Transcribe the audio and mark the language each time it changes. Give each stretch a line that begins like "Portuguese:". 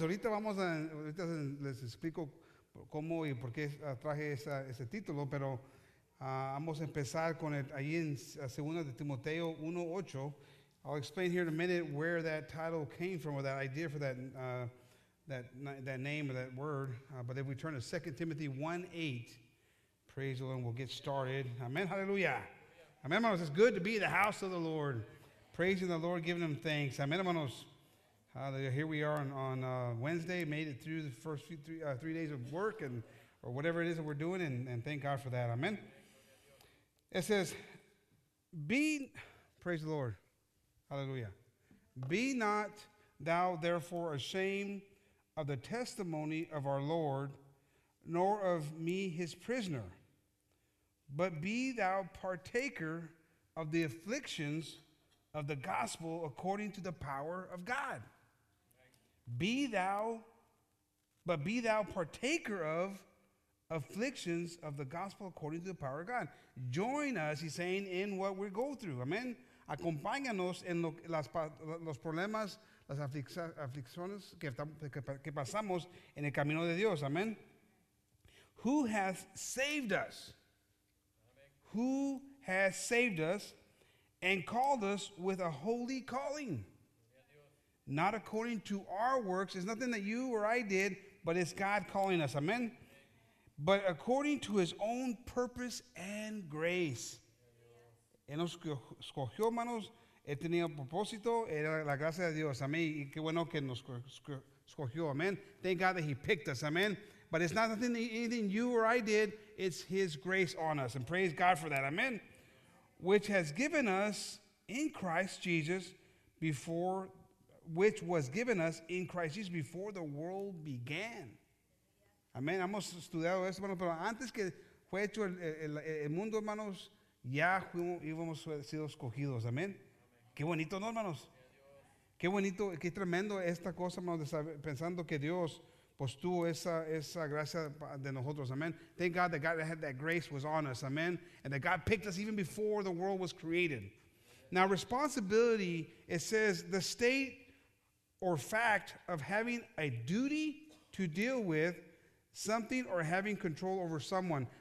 Spanish: Ahorita vamos a, ahorita les explico cómo y por qué traje ese título, pero vamos a empezar con el, ahí en 2 Timoteo 1:8.
English: I'll explain here in a minute where that title came from, or that idea for that that name or that word. But if we turn to 2 Timothy 1:8, praise the Lord, and we'll get started. Amen. Hallelujah.
Spanish: Amén, hermanos.
English: It's good to be in the house of the Lord, praising the Lord, giving Him thanks.
Spanish: Amén, hermanos.
English: Here we are on Wednesday, made it through the first few three days of work and or whatever it is that we're doing, and thank God for that. Amen. It says, praise the Lord. Hallelujah. Be not thou therefore ashamed of the testimony of our Lord, nor of me his prisoner, but be thou partaker of the afflictions of the gospel according to the power of God. Be thou partaker of afflictions of the gospel according to the power of God. Join us, he's saying, in what we go through. Amen.
Spanish: Acompáñanos en los problemas, las aflicciones que pasamos en el camino de Dios.
English: Amen. Who hath saved us? Amen. Who has saved us and called us with a holy calling? Not according to our works. It's nothing that you or I did, but it's God calling us. Amen? But according to His own purpose and grace.
Spanish: Él nos escogió, hermanos. Él tenía un propósito. Era la gracia de Dios. Amen. Y qué bueno que nos escogió. Amen.
English: Thank God that He picked us. Amen. But it's not nothing, anything you or I did. It's His grace on us. And praise God for that. Amen. Which has given us in Christ Jesus before which was given us in Christ Jesus before the world began.
Spanish: Amén. Hemos estudiado esto, hermanos, pero antes que fue hecho el mundo, hermanos, ya íbamos sido escogidos. Amén. Qué bonito, ¿no, hermanos? Qué bonito, qué tremendo esta cosa, hermanos, de saber, pensando que Dios pues tuvo esa gracia de nosotros. Amén.
English: Thank God that God had that grace was on us. Amén. And that God picked us even before the world was created. Now, responsibility, it says, the state or fact of having a duty to deal with something or having control over someone.